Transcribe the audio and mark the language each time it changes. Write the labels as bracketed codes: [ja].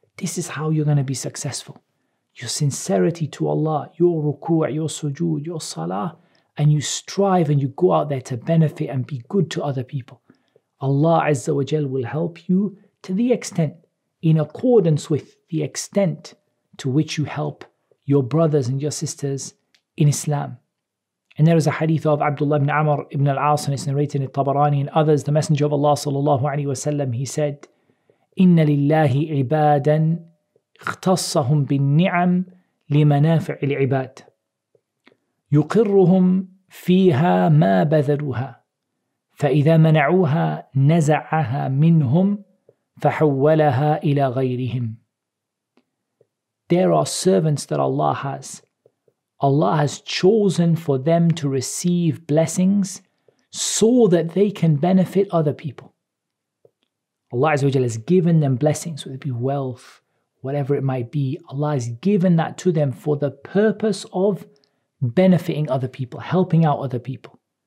[en] This is how you're going to be successful. Your sincerity to Allah, your ruku', your sujood, your salah, and you strive and you go out there to benefit and be good to other people. Allah Azza wa Jal will help you to the extent, in accordance with the extent to which you help your brothers and your sisters in Islam. And there is a hadith of Abdullah ibn Amr ibn al-As, and it's narrated in Tabarani and others. The Messenger of Allah sallallahu alayhi wa sallam, he said, [ar] إن لله عبادا اختصهم بالنعم لمنافع العباد يقرهم فيها ما بذلوها فإذا منعوها نزعها منهم فحولها إلى غيرهم. [en] There are servants that Allah has. Allah has chosen for them to receive blessings so that they can benefit other people. Allah Azza wa Jalla has given them blessings, whether it be wealth, whatever it might be. Allah has given that to them for the purpose of benefiting other people, helping out other people.